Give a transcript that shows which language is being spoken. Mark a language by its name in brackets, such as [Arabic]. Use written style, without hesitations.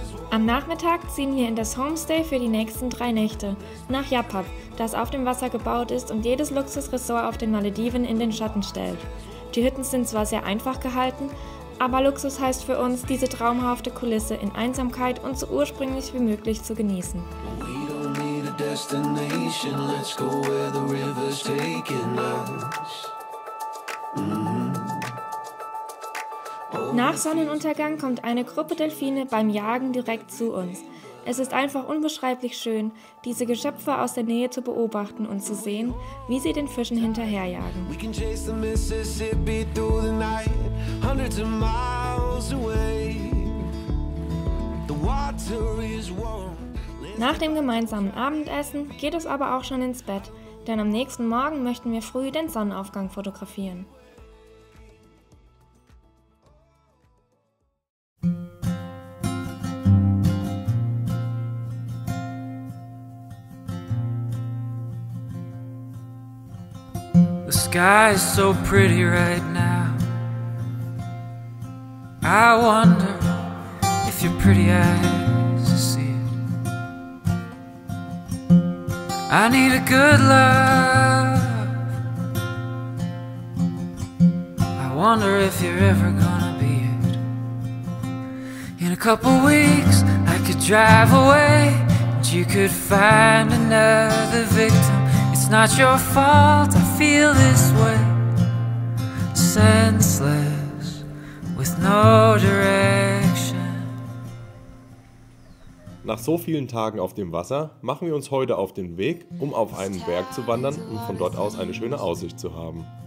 [German] Am Nachmittag ziehen wir in das Homestay für die nächsten drei Nächte, nach Yapap, das auf dem Wasser gebaut ist und jedes Luxusresort auf den Malediven in den Schatten stellt. Die Hütten sind zwar sehr einfach gehalten, aber Luxus heißt für uns, diese traumhafte Kulisse in Einsamkeit und so ursprünglich wie möglich zu genießen. [English] We don't need a destination, let's go where the river's taking us. [German] Nach Sonnenuntergang kommt eine Gruppe Delfine beim Jagen direkt zu uns. Es ist einfach unbeschreiblich schön, diese Geschöpfe aus der Nähe zu beobachten und zu sehen, wie sie den Fischen hinterherjagen. [English] We can chase the Mississippi through the night, hundreds of miles away. The water is warm. [German] Nach dem gemeinsamen Abendessen geht es aber auch schon ins Bett, denn am nächsten Morgen möchten wir früh den Sonnenaufgang fotografieren. [English] The sky is so pretty right now. I wonder if you're. pretty eyes to see it. I need a good love. I wonder if you're ever gonna be it. In a couple weeks, I could drive away, and you could find another victim. It's not your fault I feel this way. Senseless, with no direction. [German] Nach so vielen Tagen auf dem Wasser machen wir uns heute auf den Weg, um auf einen Berg zu wandern und von dort aus eine schöne Aussicht zu haben.